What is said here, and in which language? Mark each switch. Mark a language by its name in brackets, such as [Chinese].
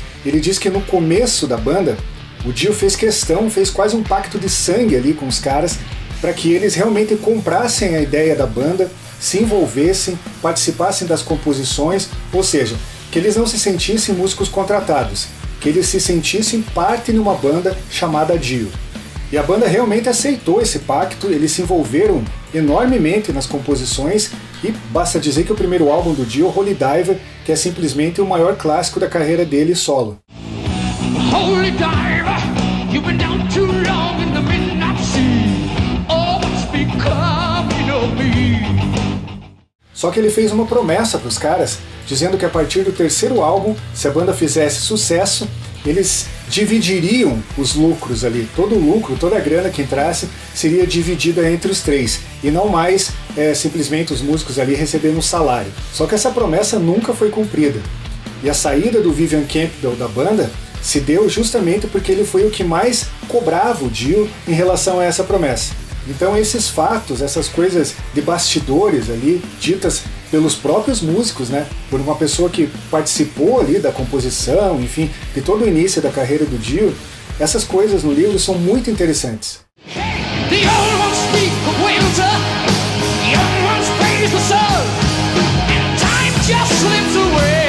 [Portuguese] Ele diz que no começo da banda, o Dio fez questão, fez quase um pacto de sangue ali com os caras, para que eles realmente comprassem a ideia da banda, se envolvessem, participassem das composições, ou seja, que eles não se sentissem músicos contratados, que eles se sentissem parte de uma banda chamada Dio. E a banda realmente aceitou esse pacto, eles se envolveram enormemente nas composições e basta dizer que o primeiro álbum do Dio, Holy Diver, que é simplesmente o maior clássico da carreira dele solo. [English] Holy Diver, you've been down too long in the midnight sea. Oh, what's becoming of me? [Portuguese] Só que ele fez uma promessa para os caras, dizendo que a partir do terceiro álbum, se a banda fizesse sucesso, eles dividiriam os lucros ali, todo o lucro, toda a grana que entrasse seria dividida entre os três, e não mais simplesmente os músicos ali recebendo um salário. Só que essa promessa nunca foi cumprida, e a saída do Vivian Campbell da banda se deu justamente porque ele foi o que mais cobrava o Dio em relação a essa promessa. Então esses fatos, essas coisas de bastidores ali, ditas pelos próprios músicos, né? Por uma pessoa que participou ali da composição, enfim, de todo o início da carreira do Dio, essas coisas no livro são muito interessantes. [English] Hey, the old ones speak of winter, the young ones praise the sun, and time just slips away.